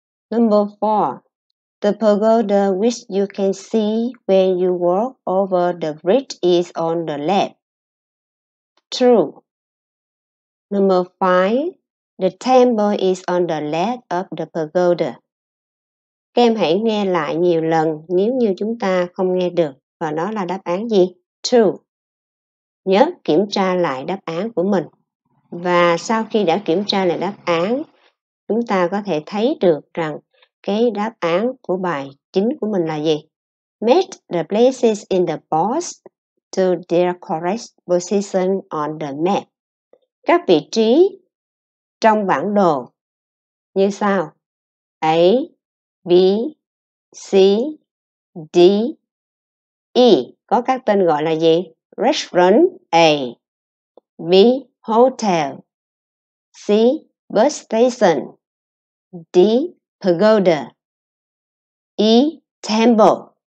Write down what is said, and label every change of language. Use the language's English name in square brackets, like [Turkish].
[English] Number 4. The pagoda which you can see when you walk over the bridge is on the left. True. Number 5. The temple is on the left of the pagoda. [Vietnamese] Các em hãy nghe lại nhiều lần nếu như chúng ta không nghe được. Và đó là đáp án gì? True. Nhớ kiểm tra lại đáp án của mình. Và sau khi đã kiểm tra lại đáp án, chúng ta có thể thấy được rằng cái đáp án của bài chính của mình là gì? [English] Match the places in the box to their correct position on the map. [Vietnamese] Các vị trí trong bản đồ như sau: A, B, C, D, E có các tên gọi là gì? [English] Restaurant A, B hotel, C bus station, D pagoda, E temple.